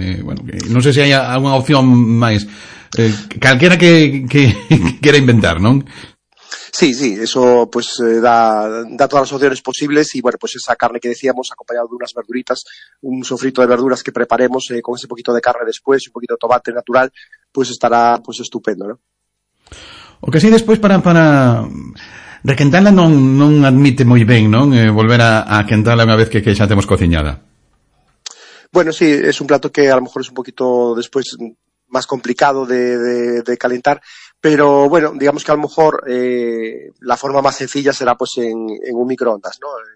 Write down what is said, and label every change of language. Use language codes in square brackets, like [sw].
[gl] Bueno, non sei se hai alguna opción máis. Calquera que quera inventar, non? [es] Sí, sí, eso pues da todas las opciones posibles, y bueno, pues esa carne que decíamos acompañado de unas verduritas, un sofrito de verduras que preparemos con ese poquito de carne después, un poquito de tomate natural, pues estará pues estupendo, ¿no? [gl] O que sí, después para requentarla non admite moi ben, non? Volver a quentarla unha vez que xa temos cociñada. [es] Bueno, sí, es un plato que a lo mejor es un poquito después más complicado de calentar, pero bueno, digamos que a lo mejor la forma más sencilla será pues en un microondas, ¿no?